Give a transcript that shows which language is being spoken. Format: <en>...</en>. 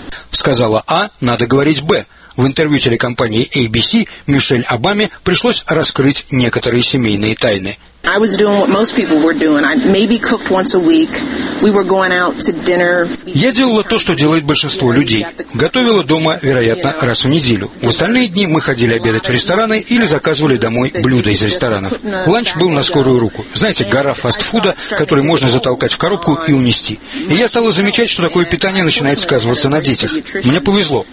<ru>Сказала А, надо говорить Б. В интервью телекомпании ABC Мишель Обаме пришлось раскрыть некоторые семейные тайны.</ru> <en>I was doing what most people were doing. I maybe cooked once a week. We were going out to dinner.</en> <ru>Я делала то, что делает большинство людей. Готовила дома, вероятно, раз в неделю. В остальные дни мы ходили обедать в рестораны или заказывали домой блюда из ресторанов. Ланч был на скорую руку. Знаете, гора фастфуда, который можно затолкать в коробку и унести. И я стала замечать, что такое питание начинает сказываться на детях. Мне повезло.</ru>